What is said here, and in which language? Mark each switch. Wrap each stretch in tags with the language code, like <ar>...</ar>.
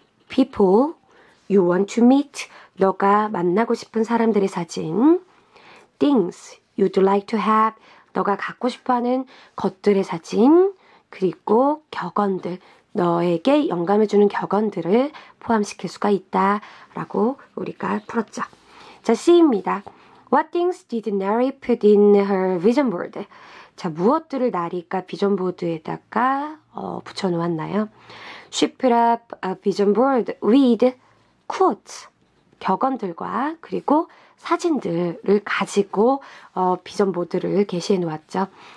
<en>People you want to meet,</en> <ko>너가 만나고 싶은 사람들의 사진.</ko> <en>Things you'd like to have,</en> <ko>너가 갖고 싶어 하는 것들의 사진. 그리고 격언들, 너에게 영감을 주는 격언들을 포함시킬 수가 있다라고 우리가 풀었죠. 자, C입니다.</ko> <en>What things did Nari put in her vision board?</en> <ko>자, 무엇들을 나리가 비전 보드에다가 붙여놓았나요?</ko> <en>She put up a vision board with quotes,</en> <ko>격언들과 그리고 사진들을 가지고 비전 보드를 게시해 놓았죠.</ko>